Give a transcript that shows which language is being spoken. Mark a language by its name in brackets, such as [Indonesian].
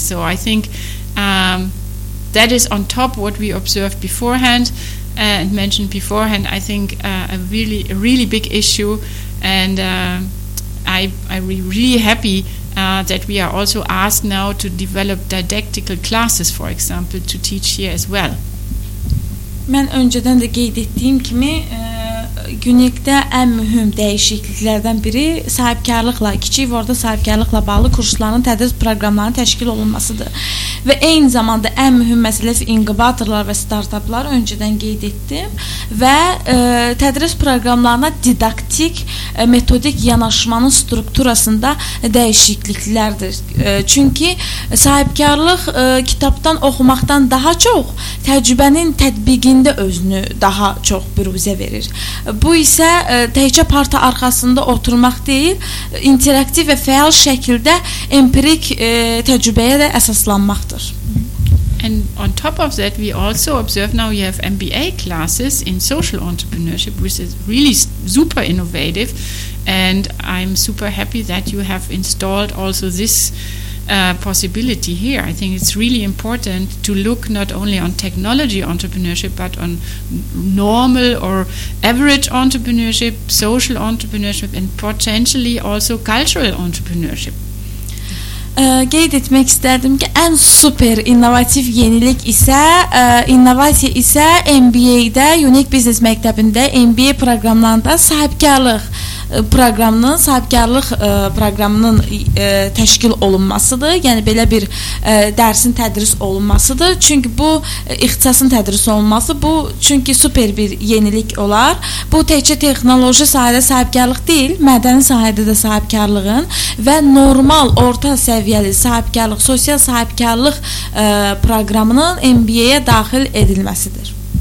[English] So I think that is on top what we observed beforehand and mentioned beforehand. I think a really big issue, and I'm really happy that we are also asked now to develop didactical classes, for example, to teach here as well. [Azerbaijani] Mən öncədən də qeyd etdiyim kimi, UNIC-də ən mühüm dəyişikliklərdən biri sahibkarlıqla, kiçik və orta sahibkarlıqla bağlı kursların, tədris proqramlarının təşkil olunmasıdır. Və eyni zamanda ən mühüm məsələsi inkubatorlar və startaplar öncədən qeyd etdim və tədris proqramlarına didaktik, metodik yanaşmanın strukturasında dəyişikliklərdir. Çünki sahibkarlıq kitabdan oxumaqdan daha çox təcrübənin tətbiqində özünü daha çox büruzə verir. Bu isə təkcə parta arxasında oturmaq deyil, interaktiv və fəal şəkildə empirik təcrübəyə də əsaslanmaqdır. [English] And on top of that, we also observe now you have MBA classes in social entrepreneurship, which is really super innovative. And I'm super happy that you have installed also this possibility here. I think it's really important to look not only on technology entrepreneurship, but on normal or average entrepreneurship, social entrepreneurship, and potentially also cultural entrepreneurship. [Azerbaijani] Qeyd etmək istərdim ki, ən super innovativ yenilik isə innovasiya isə MBA-də, Unique Business Məktəbində MBA proqramlarında sahibkarlıq proqramının, sahibkarlıq proqramının təşkil olunmasıdır. Yəni belə bir dərsin tədris olunmasıdır. Çünki bu ixtisasın tədris olunması bu çünki super bir yenilik olar. Bu təkcə texnoloji sahədə sahibkarlıq deyil, mədəni sahədə də sahibkarlığın və normal orta səviyyəli sahibkarlıq, sosial sahibkarlıq proqramının MBA-yə daxil edilməsidir.